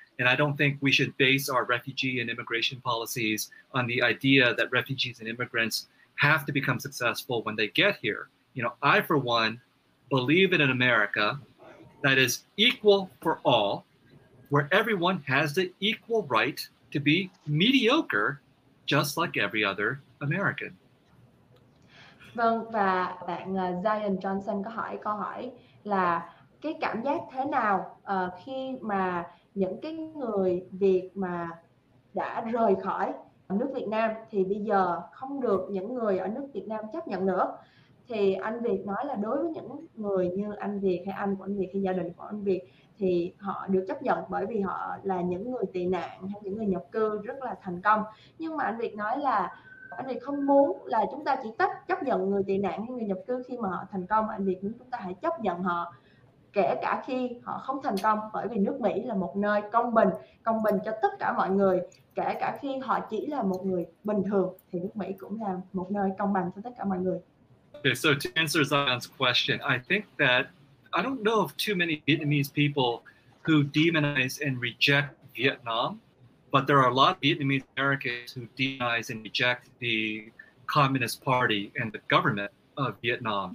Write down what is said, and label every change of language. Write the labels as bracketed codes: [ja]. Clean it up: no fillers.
[en] And I don't think we should base our refugee and immigration policies on the idea that refugees and immigrants have to become successful when they get here. You know, I, for one, believe in an America that is equal for all, where everyone has the equal right to be mediocre, just like every other American. [vi] Vâng, và bạn Zion Johnson có hỏi câu hỏi là cái cảm giác thế nào khi mà những cái người Việt mà đã rời khỏi nước Việt Nam thì bây giờ không được những người ở nước Việt Nam chấp nhận nữa. Thì anh Việt nói là đối với những người như anh Việt hay anh của anh Việt hay gia đình của anh Việt thì họ được chấp nhận bởi vì họ là những người tị nạn hay những người nhập cư rất là thành công. Nhưng mà anh Việt nói là anh Việt không muốn là chúng ta chỉ tách chấp nhận người tị nạn hay người nhập cư khi mà họ thành công. Anh Việt muốn chúng ta hãy chấp nhận họ kể cả khi họ không thành công, bởi vì nước Mỹ là một nơi công bình cho tất cả mọi người, kể cả khi họ chỉ là một người bình thường thì nước Mỹ cũng là một nơi công bằng cho tất cả mọi người. [en] Okay, so to answer Zion's question, I think that I don't know of too many Vietnamese people who demonize and reject Vietnam, but there are a lot of Vietnamese Americans who demonize and reject the Communist Party and the government of Vietnam.